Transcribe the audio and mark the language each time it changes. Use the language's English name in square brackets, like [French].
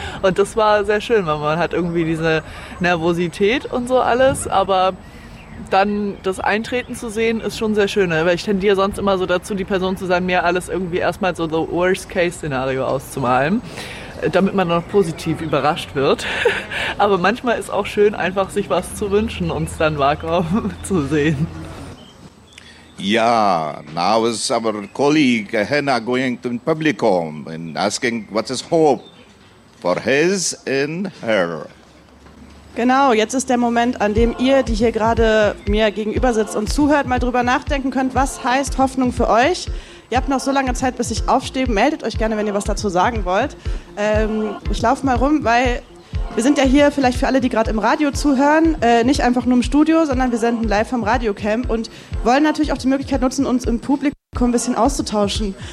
[German] Und das war sehr schön, weil man hat irgendwie diese Nervosität und so alles, aber dann das Eintreten zu sehen, ist schon sehr schön. Weil ich tendiere sonst immer so dazu, die Person zu sein, mir alles irgendwie erstmal so the Worst-Case-Szenario auszumalen, damit man noch positiv überrascht wird. Aber manchmal ist auch schön, einfach sich was zu wünschen und es dann wahrkommen zu sehen. [English] Ja, now is our colleague Hannah going to the public home and asking what is hope for his and her. [German] Genau, jetzt ist der Moment, an dem ihr, die hier gerade mir gegenüber sitzt und zuhört, mal drüber nachdenken könnt, was heißt Hoffnung für euch? Ihr habt noch so lange Zeit, bis ich aufstehe. Meldet euch gerne, wenn ihr was dazu sagen wollt. Ich laufe mal rum, weil wir sind ja hier vielleicht für alle, die gerade im Radio zuhören, nicht einfach nur im Studio, sondern wir senden live vom Radiocamp und wollen natürlich auch die Möglichkeit nutzen, uns im Publikum ein bisschen auszutauschen.